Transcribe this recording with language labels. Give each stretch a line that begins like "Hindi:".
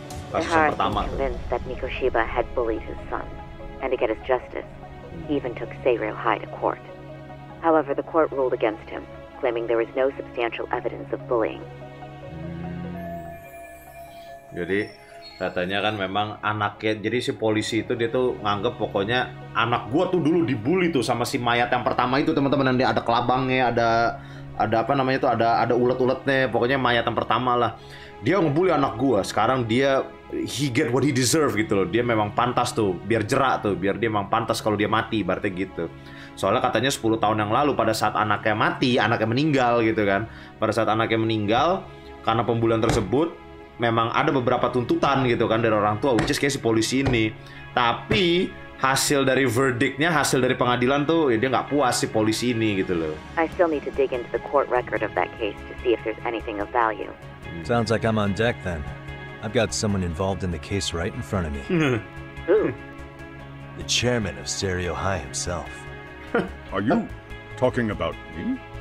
English: Ehara was convinced that Mikoshiba had bullied his son, and to get his justice, he even took Seiryo High to court. However, the court ruled against him, claiming there was no substantial evidence of bullying.
Indonesian: Jadi katanya kan memang anaknya, jadi si polisi itu dia tuh nganggep pokoknya anak gua tuh dulu dibully tuh sama si mayat yang pertama itu teman-teman, dan dia ada kelabangnya, ada apa namanya tuh, ada ulet-uletnya, pokoknya mayat yang pertama lah. Dia ngebully anak gua, sekarang dia
English: he get what he deserve
Indonesian: gitu loh. Dia memang pantas tuh biar jera tuh, biar dia memang pantas kalau dia mati, berarti gitu. Soalnya katanya 10 tahun yang lalu pada saat anaknya mati, anaknya meninggal gitu kan. Pada saat anaknya meninggal karena pembulian tersebut, memang ada beberapa tuntutan gitu kan dari orang tua, which is kayak si polisi ini. Tapi hasil dari verdictnya, hasil dari pengadilan tuh, ya dia nggak puas si polisi ini gitu loh.
English: I still need to dig into the court record of that case to see if there's anything of value. Sounds like I'm on deck then. I've got someone involved in the case right in front of me. Who? The chairman of Seiryo High himself. Are you talking about me?